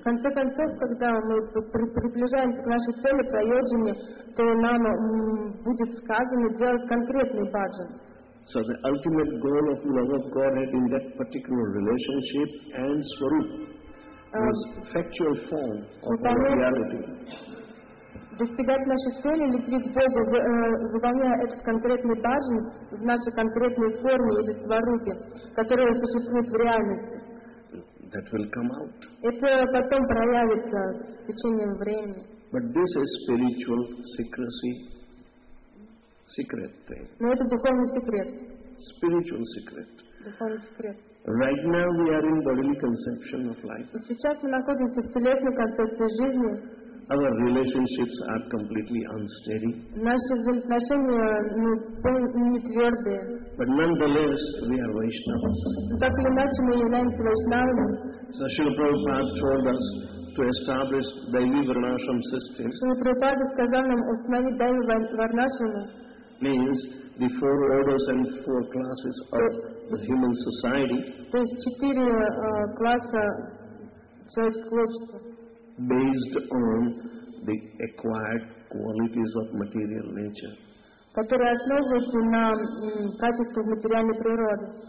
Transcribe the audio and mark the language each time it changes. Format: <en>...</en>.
<ru>В конце концов, когда мы приближаемся к нашей цели, прайоджане, то нам будет сказано делать конкретный бхаджан.</ru> <en>So the ultimate goal of love of Godhead in that particular relationship and swarup was factual form of reality.</en> <ru>Достигать нашей цели, любви к Богу, выполняя этот конкретный бажан в нашей конкретной форме или сварупе, которая существует в реальности.</ru> <en>that will come out.</en> <ru>Это потом проявится в течение времени.</ru> <en>But this is spiritual secrecy, secret thing.</en> <ru>Но это духовный секрет.</ru> <en>Spiritual secret.</en> <ru>Духовный секрет.</ru> <en>Right now we are in bodily conception of life.</en> <ru>Сейчас мы находимся в телесной концепции жизни.</ru> <en>Our relationships are completely unsteady.</en> <ru>Наши отношения не твердые.</ru> <en>But nonetheless, we are Vaishnavas.</en> <ru>Так или иначе, мы являемся Вайшнавами.</ru> <en>So Srila Prabhupada told us to establish Daivi Varnashram system.</en> <ru>Srila Prabhupada сказал нам установить Daivi Varnashram.</ru> <en>Means the four orders and four classes of the human society.</en> <ru>То есть четыре класса человеческого общества.</ru> <en>Based on the acquired qualities of material nature.</en> <ru>Которые основываются на качествах материальной природы.</ru>